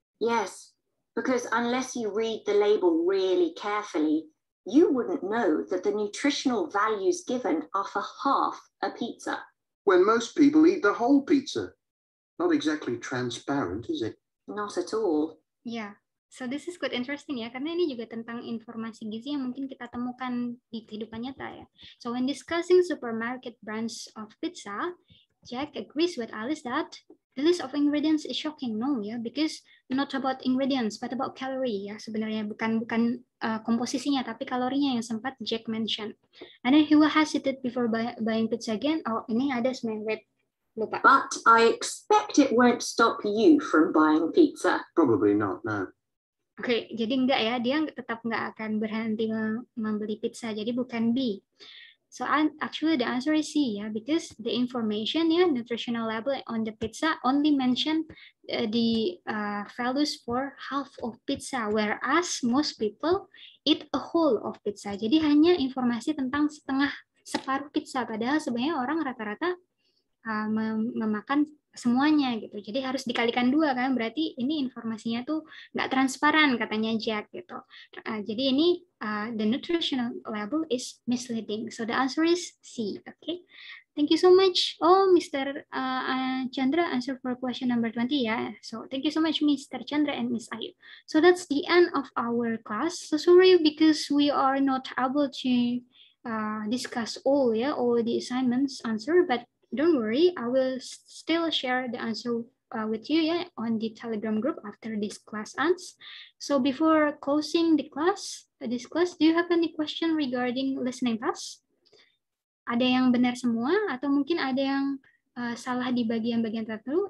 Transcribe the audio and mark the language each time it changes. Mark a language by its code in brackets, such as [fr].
[en] Yes, because unless you read the label really carefully, you wouldn't know that the nutritional values given are for half a pizza. When most people eat the whole pizza. Not exactly transparent, is it? Not at all. Yeah. So this is quite interesting [id] ya, karena ini juga tentang informasi gizi yang mungkin kita temukan di kehidupan nyata ya. [en] So when discussing supermarket brands of pizza, Jack agrees with Alice that the list of ingredients is shocking, no, yeah, because not about ingredients, but about calorie, yeah, [id] sebenarnya bukan komposisinya, tapi kalorinya yang sempat Jack mention. [en] And then he will hesitate before buying pizza again. [id] Oh, ini ada sembilan. Lupa. [en] But I expect it won't stop you from buying pizza. Probably not, no. [id] Oke, okay, jadi enggak ya, dia tetap enggak akan berhenti membeli pizza, jadi bukan B. [en] So actually the answer is C, yeah, because the information, yeah, nutritional label on the pizza only mention the values for half of pizza, whereas most people eat a whole of pizza. [id] Jadi hanya informasi tentang setengah, separuh pizza, padahal sebenarnya orang rata-rata memakan semuanya gitu. Jadi harus dikalikan dua kan, berarti ini informasinya tuh nggak transparan katanya Jack gitu. Jadi ini [en] the nutritional label is misleading. So the answer is C. Okay. Thank you so much. Oh, Mr. Chandra, answer for question number 20 ya. Yeah. So thank you so much, Mr. Chandra and Miss Ayu. So that's the end of our class. So sorry because we are not able to discuss all ya, yeah, all the assignments answer, but don't worry, I will still share the answer with you, yeah, on the Telegram group after this class ends. So before closing the class, this class, do you have any question regarding listening test? [id] Ada yang benar semua atau mungkin ada yang salah di bagian-bagian tertentu?